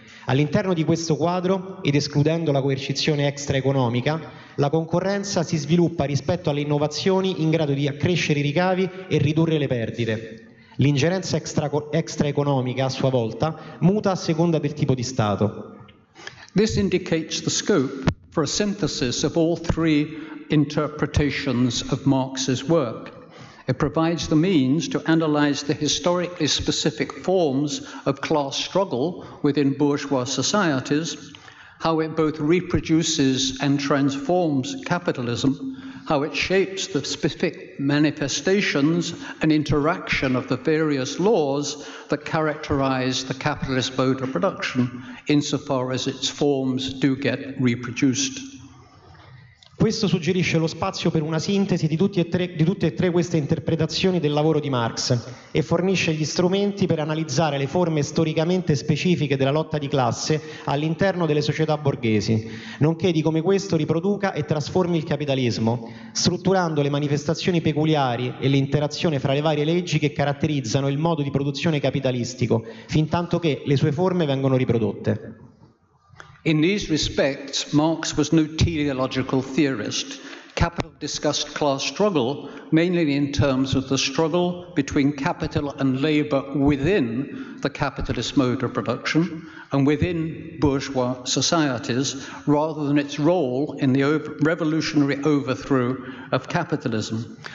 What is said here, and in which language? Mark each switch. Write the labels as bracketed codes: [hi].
[it] All'interno di questo quadro, ed escludendo la coercizione extraeconomica, la concorrenza si sviluppa rispetto alle innovazioni in grado di accrescere i ricavi e ridurre le perdite. L'ingerenza extraeconomica, a sua volta, muta a seconda del tipo di Stato. [en] This indicates the scope for a synthesis of all three interpretations of Marx's work. It provides the means to analyze the historically specific forms of class struggle within bourgeois societies, how it both reproduces and transforms capitalism, how it shapes the specific manifestations and interaction of the various laws that characterize the capitalist mode of production insofar as its forms do get reproduced. [it] Questo suggerisce lo spazio per una sintesi di tutte e tre queste interpretazioni del lavoro di Marx e fornisce gli strumenti per analizzare le forme storicamente specifiche della lotta di classe all'interno delle società borghesi, nonché di come questo riproduca e trasformi il capitalismo, strutturando le manifestazioni peculiari e l'interazione fra le varie leggi che caratterizzano il modo di produzione capitalistico, fin tanto che le sue forme vengono riprodotte. [en] In these respects, Marx was no teleological theorist. Capital discussed class struggle mainly in terms of the struggle between capital and labor within the capitalist mode of production and within bourgeois societies, rather than its role in the revolutionary overthrow of capitalism.